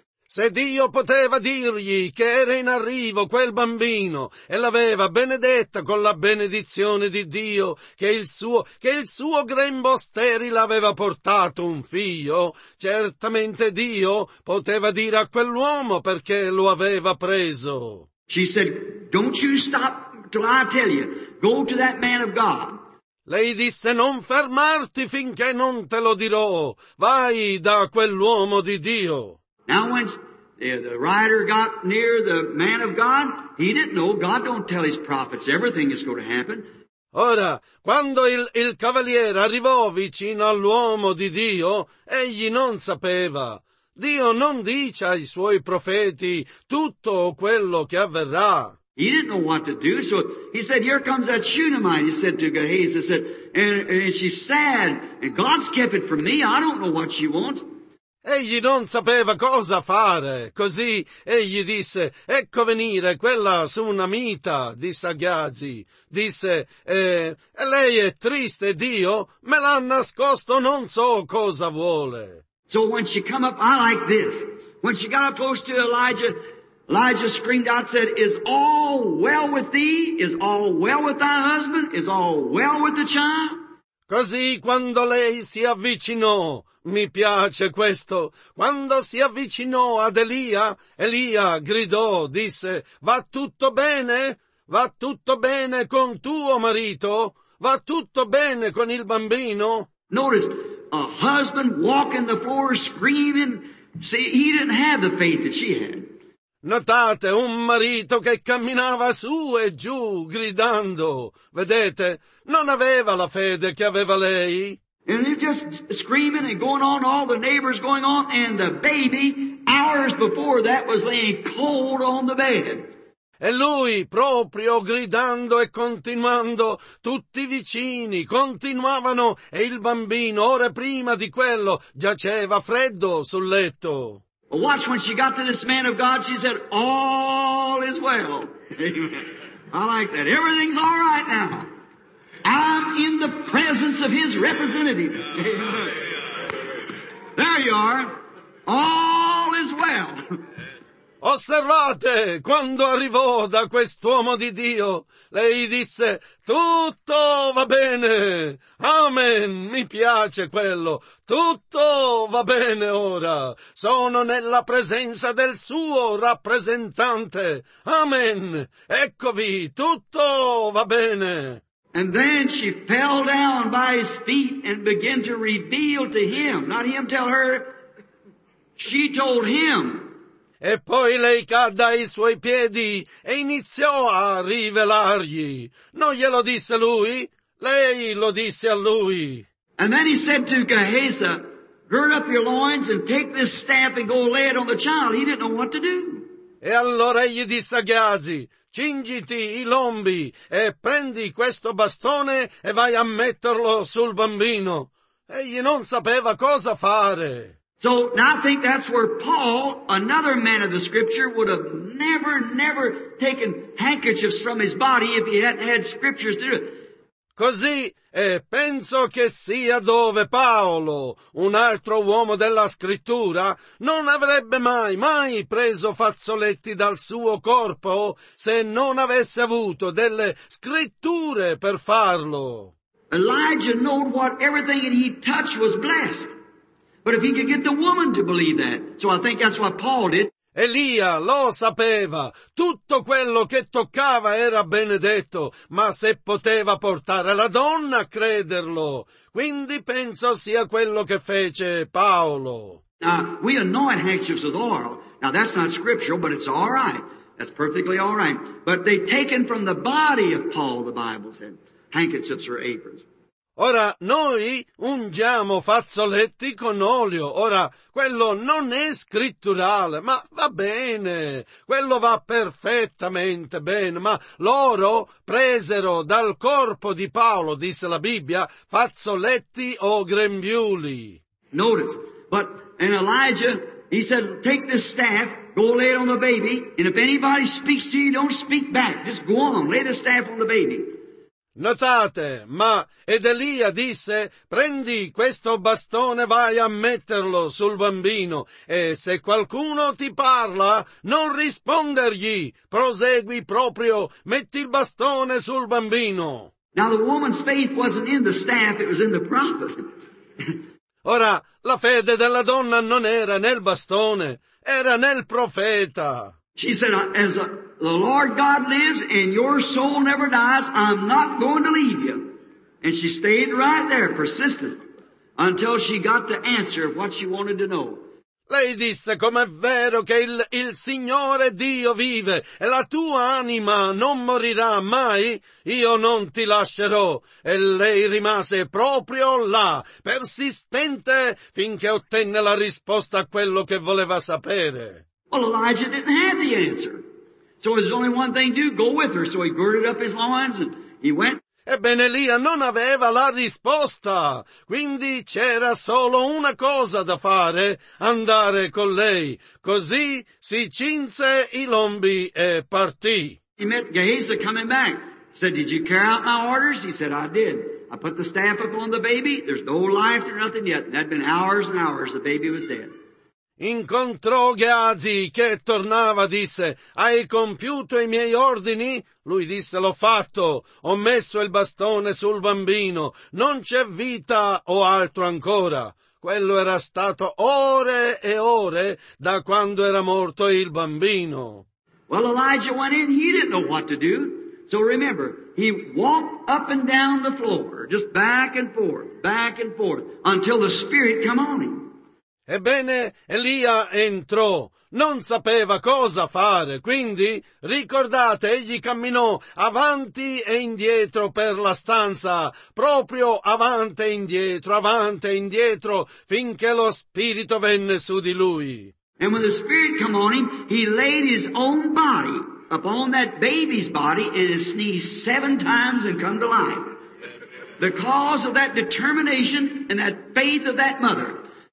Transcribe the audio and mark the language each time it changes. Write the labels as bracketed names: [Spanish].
[Italian] Se Dio poteva dirgli che era in arrivo quel bambino e l'aveva benedetta con la benedizione di Dio, che il suo grembo sterile aveva portato un figlio, certamente Dio poteva dire a quell'uomo perché lo aveva preso. [English] She said, don't you stop till I tell you. Go to that man of God. [Italian] Lei disse, non fermarti finché non te lo dirò. Vai da quell'uomo di Dio. [English] Now when the rider got near the man of God, he didn't know. God don't tell his prophets everything is going to happen. [Italian] Ora, quando il cavaliere arrivò vicino all'uomo di Dio, egli non sapeva. Dio non dice ai suoi profeti tutto quello che avverrà. [English] He didn't know what to do, so he said, here comes that Shunammite, he said to Gehazi, he said, and she's sad, and God's kept it from me, I don't know what she wants. [Italian] Egli non sapeva cosa fare, così egli disse, ecco venire quella Shunammita, disse a Gehazi, disse, e lei è triste, Dio, me l'ha nascosto, non so cosa vuole. [English] So when she come up, I like this, when she got up close to Elijah, Elijah screamed out, said, is all well with thee? Is all well with thy husband? Is all well with the child? [Italian] Così quando lei si avvicinò, mi piace questo, quando si avvicinò ad Elia, Elia gridò, disse, va tutto bene? Va tutto bene con tuo marito? Va tutto bene con il bambino? [English] Notice, a husband walking the floor screaming, see, he didn't have the faith that she had. [Italian] Notate un marito che camminava su e giù gridando. Vedete, non aveva la fede che aveva lei. [English] And they're just screaming and going on, all the neighbors going on, and the baby, hours before that, was laying cold on the bed. [Italian] E lui, proprio gridando e continuando, tutti i vicini continuavano, e il bambino, ore prima di quello, giaceva freddo sul letto. [English] Watch, when she got to this man of God, she said, all is well. Amen. I like that. Everything's all right now. I'm in the presence of his representative. There you are. All is well. [Italian] Osservate, quando arrivò da quest'uomo di Dio, lei disse, tutto va bene. Amen, mi piace quello. Tutto va bene ora. Sono nella presenza del suo rappresentante. Amen. Eccovi, tutto va bene. [English] And then she fell down by his feet and began to reveal to him, not him tell her, she told him. [Italian] E poi lei cadde ai suoi piedi e iniziò a rivelargli. Non glielo disse lui, lei lo disse a lui. [English] And then he said to Gehazi, gird up your loins and take this staff and go lay it on the child. He didn't know what to do. [Italian] E allora egli disse a Gehazi, cingiti i lombi e prendi questo bastone e vai a metterlo sul bambino. Egli non sapeva cosa fare. [English] So now I think that's where Paul, another man of the scripture, would have never, never taken handkerchiefs from his body if he hadn't had scriptures to do it. [Italian] Così, e penso che sia dove Paolo, un altro uomo della scrittura, non avrebbe mai, mai preso fazzoletti dal suo corpo se non avesse avuto delle scritture per farlo. [English] Elijah knew what everything that he touched was blessed. But if he could get the woman to believe that, so I think that's what Paul did. [Italian] Elia lo sapeva, tutto quello che toccava era benedetto, ma se poteva portare la donna a crederlo, quindi penso sia quello che fece Paolo. [English] Now, we anoint handkerchiefs with oil. Now, that's not scriptural, but it's all right. That's perfectly all right. But they taken from the body of Paul, the Bible said, handkerchiefs or aprons. [Italian] Ora, noi ungiamo fazzoletti con olio. Ora, quello non è scritturale, ma va bene. Quello va perfettamente bene. Ma loro presero dal corpo di Paolo, disse la Bibbia, fazzoletti o grembiuli. [English] Notice, but in Elijah, he said, take this staff, go lay it on the baby, and if anybody speaks to you, don't speak back. Just go on, lay the staff on the baby. [Italian] Notate, ma ed Elia disse, prendi questo bastone, vai a metterlo sul bambino, e se qualcuno ti parla, non rispondergli, prosegui proprio, metti il bastone sul bambino. [English] Now the woman's faith wasn't in the staff, it was in the prophet. [Italian] Ora, la fede della donna non era nel bastone, era nel profeta. [English] She said, as a... The Lord God lives and your soul never dies. I'm not going to leave you. And she stayed right there, persistent, until she got the answer of what she wanted to know. [Italian] Lei disse, com'è vero che il Signore Dio vive e la tua anima non morirà mai? Io non ti lascerò. E lei rimase proprio là, persistente, finché ottenne la risposta a quello che voleva sapere. [English] Well, Elijah didn't have the answer. So there's only one thing to do, go with her. So he girded up his loins and he went. [Italian] Ebbene, Elia non aveva la risposta. Quindi c'era solo una cosa da fare, andare con lei. Così si cinse i lombi e partì. [English] He met Gehazi coming back. Said, did you carry out my orders? He said, I did. I put the staff up on the baby. There's no life or nothing yet. And that had been hours and hours. The baby was dead. [Italian] Incontrò Gehazi che tornava, disse, hai compiuto i miei ordini? Lui disse, l'ho fatto, ho messo il bastone sul bambino, non c'è vita o altro ancora. Quello era stato ore e ore da quando era morto il bambino. [English] Well, Elijah went in, he didn't know what to do. So remember, he walked up and down the floor, just back and forth, until the Spirit come on him. [Italian] Ebbene, Elia entrò, non sapeva cosa fare, quindi, ricordate, egli camminò avanti e indietro per la stanza, proprio avanti e indietro, finché lo Spirito venne su di lui. [English] And when the Spirit came on him, he laid his own body upon that baby's body and sneezed 7 times and come to life. The cause of that determination and that faith of that mother.